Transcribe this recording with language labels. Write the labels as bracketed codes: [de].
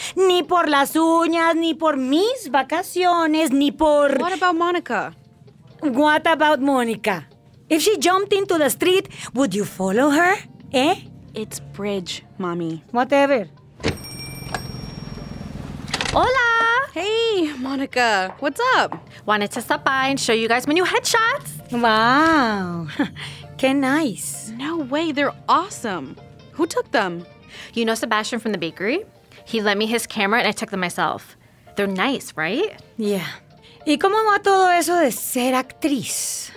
[es] Ni por las uñas, ni por mis vacaciones, ni por... [en] What about Mónica? What about Mónica? If she jumped into the street, would you follow her? Eh? It's bridge, mommy. Whatever. [es] Hola! [en] Hey, Mónica. What's up? Wanted to stop by and show you guys my new headshots. Wow. [es] Qué [en] nice. No way. They're awesome. Who took them? You know Sebastian from the bakery? He lent me his camera and I took them myself. They're nice, right? Yeah. [es] ¿Y cómo va todo eso de ser actriz?